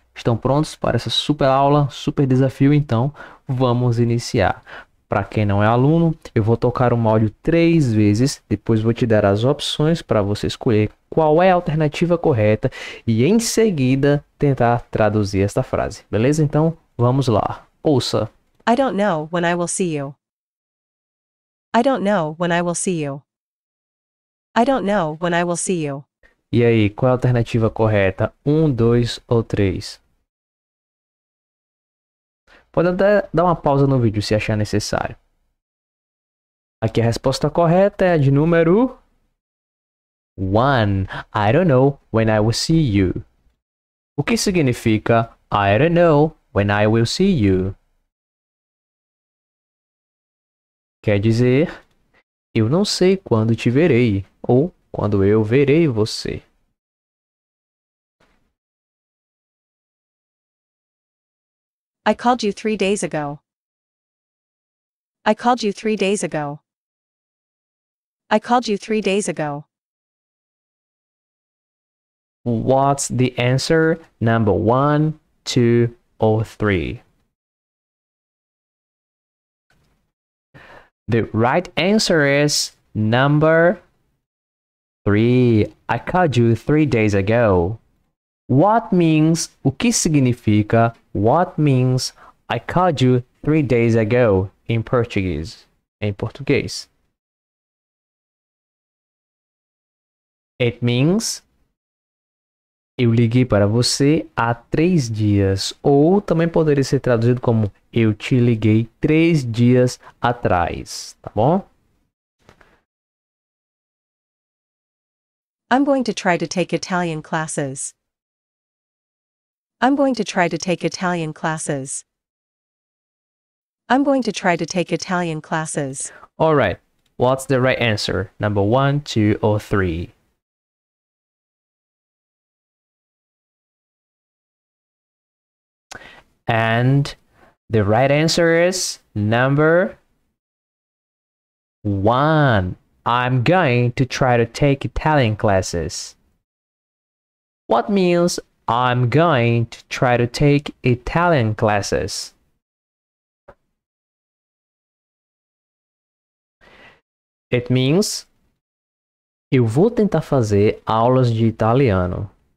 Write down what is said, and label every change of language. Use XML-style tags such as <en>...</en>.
<pt>Estão prontos para essa super aula, super desafio? Então, vamos iniciar. Para quem não é aluno, eu vou tocar um áudio 3 vezes, depois vou te dar as opções para você escolher qual é a alternativa correta e, em seguida, tentar traduzir esta frase. Beleza? Então, vamos lá. Ouça!</pt> <en>I don't know when I will see you. I don't know when I will see you. I don't know when I will see you.</en> <pt>E aí, qual é a alternativa correta? 1, 2 ou 3? Pode até dar uma pausa no vídeo se achar necessário. Aqui a resposta correta é a de número 1.</pt> <en>I don't know when I will see you.</en> <pt>O que significa</pt> <en>I don't know when I will see you?</en> <pt>Quer dizer, eu não sei quando te verei ou quando eu verei você.</pt> <en>I called you 3 days ago. I called you 3 days ago. I called you 3 days ago. What's the answer number 1, 2, or 3? The right answer is number 3. I called you 3 days ago. What means,</en> <pt>o que significa,</pt> <en>what means I called you 3 days ago in Portuguese?</en> <pt>Em português.</pt> <en>It means,</en> <pt>eu liguei para você há 3 dias. Ou também poderia ser traduzido como, eu te liguei 3 dias atrás, tá bom?</pt> <en>I'm going to try to take Italian classes. I'm going to try to take Italian classes. I'm going to try to take Italian classes. All right. What's the right answer? Number 1, 2, or 3? And the right answer is number 1. I'm going to try to take Italian classes. What means I'm going to try to take Italian classes. It means</en> <pt>eu vou tentar fazer aulas de italiano.</pt>